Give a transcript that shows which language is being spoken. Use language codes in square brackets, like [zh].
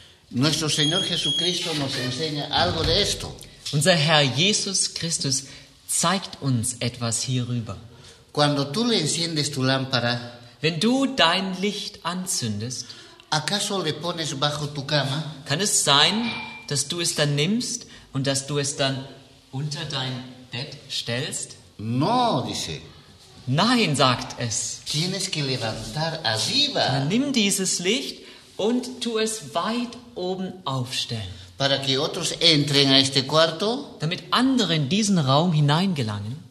[es] Nuestro Señor Jesucristo nos enseña algo de esto. [de] Unser Herr Jesus Christus zeigt uns etwas hierüber. [es] Cuando tú le enciendes tu lámpara, [de] wenn du dein Licht anzündest, [es] acaso le pones bajo tu cama? [de] Kann es sein, dass du es dann nimmst und dass du es dann unter dein Bett stellst? [es] No, dice. [de] Nein, sagt es. [es] Tienes que levantar arriba. [de] Dann nimm dieses Licht und tu es weit oben aufstellen. [es] Para que otros entren a este cuarto, [de] damit andere in diesen Raum hineingelangen